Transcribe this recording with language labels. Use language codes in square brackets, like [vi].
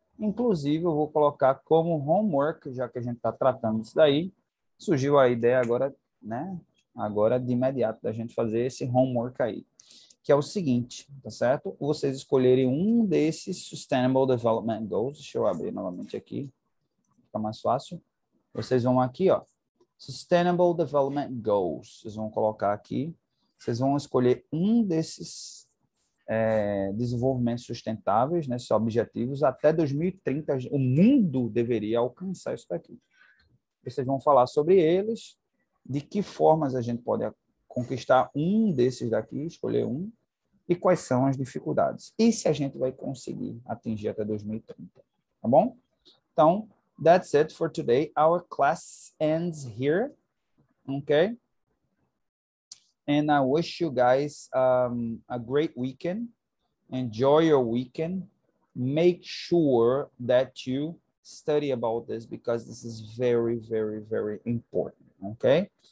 [pt] Inclusive, eu vou colocar como homework, já que a gente está tratando isso daí. Surgiu a ideia agora, né? Agora, de imediato, da gente fazer esse homework aí. Que é o seguinte, tá certo? Vocês escolherem um desses Sustainable Development Goals. Deixa eu abrir novamente aqui. Fica mais fácil. Vocês vão aqui, ó. [en] Sustainable Development Goals. [pt] Vocês vão colocar aqui. Vocês vão escolher um desses desenvolvimentos sustentáveis, né? Esses objetivos. Até 2030, o mundo deveria alcançar isso daqui. Vocês vão falar sobre eles, de que formas a gente pode conquistar um desses daqui, escolher um, e quais são as dificuldades. E se a gente vai conseguir atingir até 2030. Tá bom? [en] Então, that's it for today. Our class ends here. Okay? And I wish you guys a great weekend. Enjoy your weekend. Make sure that you study about this because this is very, very, very important. Okay?